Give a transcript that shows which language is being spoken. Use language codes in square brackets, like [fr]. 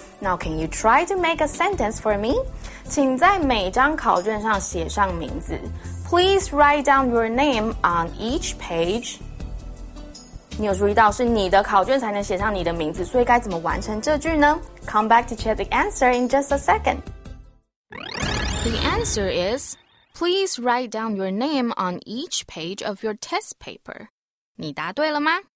[en] Now can you try to make a sentence for me？ [zh] 请在每张考卷上写上名字。 [en] Please write down your name on each page。 [zh] 你有注意到是你的考卷才能写上你的名字，所以该怎么完成这句呢？ [en] Come back to check the answer in just a second. The answer is, please write down your name on each page of your test paper. [zh] 你答对了吗？